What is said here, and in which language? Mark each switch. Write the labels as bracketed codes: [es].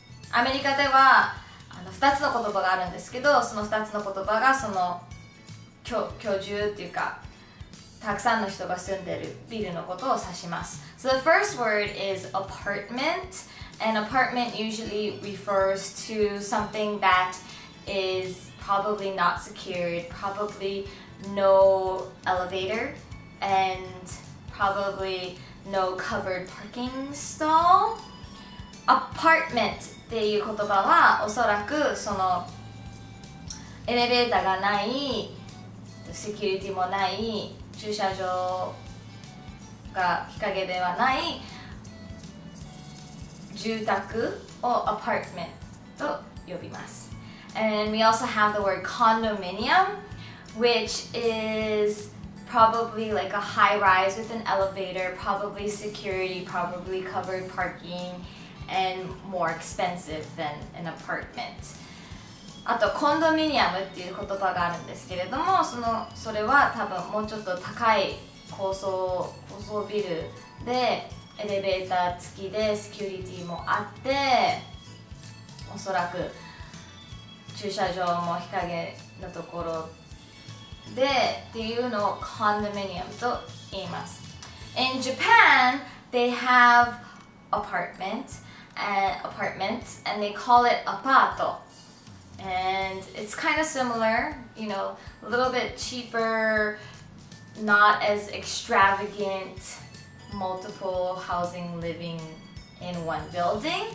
[ja] アメリカでは2つの言葉があるんですけど、その2つの言葉がその 居住っていうか、たくさんの人が住んでるビルのことを指します。 [en] So the first word is apartment. An apartment usually refers to something that is probably not secured, probably no elevator, and probably no covered parking stall. [ja] Apartment っていう言葉はおそらくそのエレベーターがない、セキュリティもない、駐車場が日陰ではない住宅をアパートメントと呼びます。 [en] And we also have the word condominium, which is probably like a high rise with an elevator, probably security, probably covered parking, and more expensive than an apartment. [ja] あとコンドミニアムっていう言葉があるんですけれども、それは多分もうちょっと高い高層ビルでエレベーター付きでセキュリティもあって、おそらく駐車場も日陰のところでっていうのをコンドミニアムと言います。 [en] In Japan, they have apartments and they call it apartoAnd it's kind of similar, you know, a little bit cheaper, not as extravagant, multiple housing living in one building.